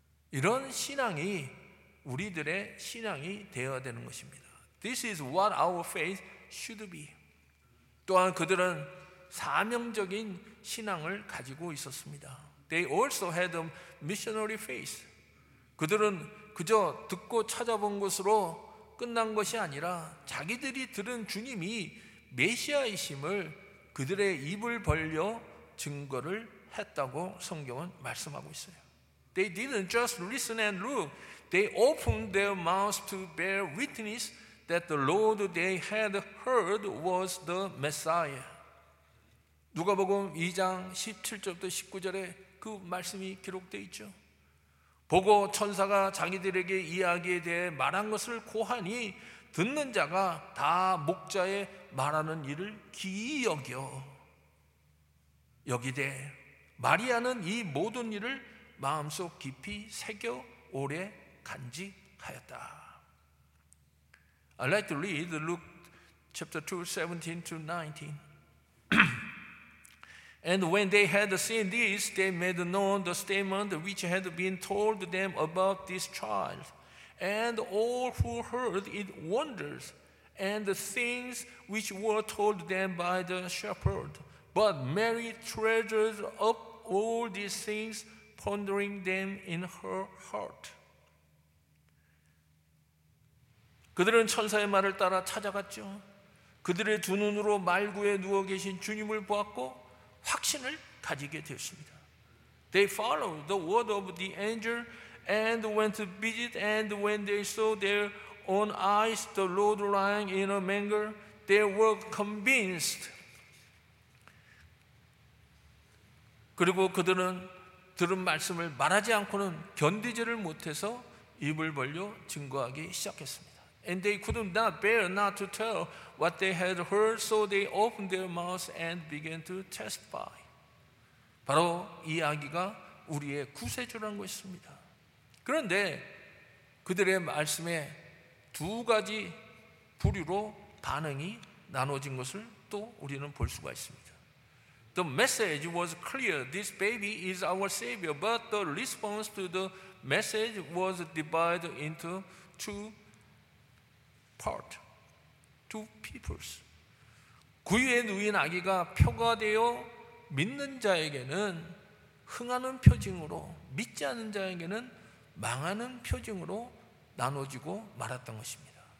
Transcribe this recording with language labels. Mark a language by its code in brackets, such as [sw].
[ko] 이런 신앙이 우리들의 신앙이 되어야 되는 것입니다. [en] This is what our faith should be. [ko] 또한 그들은 사명적인 신앙을 가지고 있었습니다. [en] They also had a missionary faith. [ko] 그들은 그저 듣고 찾아본 것으로 끝난 것이 아니라 자기들이 들은 주님이 메시아이심을 그들의 입을 벌려 증거를 했다고 성경은 말씀하고 있어요. [en] They didn't just listen and look. They opened their mouths to bear witness that the Lord they had heard was the Messiah. [ko] 누가복음 2장 17절부터 19절에 그 말씀이 기록되어 있죠. 보고 천사가 자기들에게 이야기에 대해 말한 것을 고하니 듣는 자가 다 목자의 말하는 일을 기이 여겨. 여기되 마리아는 이 모든 일을 마음속 깊이 새겨 오래 간직하였다. [en] I'd like to read Luke chapter 2, 17 to 19. And when they had seen this, they made known the statement which had been told them about this child. And all who heard it wondered, and the things which were told them by the shepherd. But Mary treasured up all these things, pondering them in her heart. [ko] 그들은 천사의 말을 따라 찾아갔죠. 그들의 두 눈으로 말구에 누워 계신 주님을 보았고 확신을 가지게 되었습니다. [en] They followed the word of the angel and went to visit, and when they saw their own eyes the Lord lying in a manger, they were convinced. [ko] 그리고 그들은 들은 말씀을 말하지 않고는 견디지를 못해서 입을 벌려 증거하기 시작했습니다. [en] And they could not bear not to tell what they had heard, so they opened their mouths and began to testify. [ko] 바로 이 아기가 우리의 구세주라는 것입니다. 그런데 그들의 말씀에 두 가지 부류로 반응이 나눠진 것을 또 우리는 볼 수가 있습니다. [en] The message was clear. This baby is our Savior. But the response to the message was divided into two part to peoples. [ko] 구유에 누인 아기가 표가 되어 믿는 자에게는 흥하는 표징으로, 믿지 않는 자에게는 망하는 표징으로 나눠지고 말았던 것입니다.